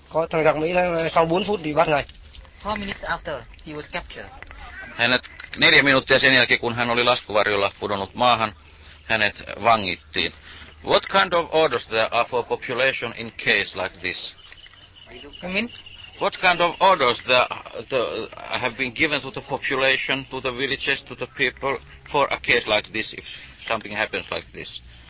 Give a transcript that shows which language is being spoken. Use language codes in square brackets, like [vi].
[vi] Thằng giặc Mỹ sau 4 phút thì bắt ngay. [en] 4 minutes after he was captured. [fi] Hänet 4 minuuttia sen jälkeen, kun hän oli laskuvarjolla pudonnut maahan, hänet vangittiin. [en] What kind of orders there are for population in case like this? You mean? What kind of orders there have been given to the population, to the villages, to the people for a case like this, if something happens like this?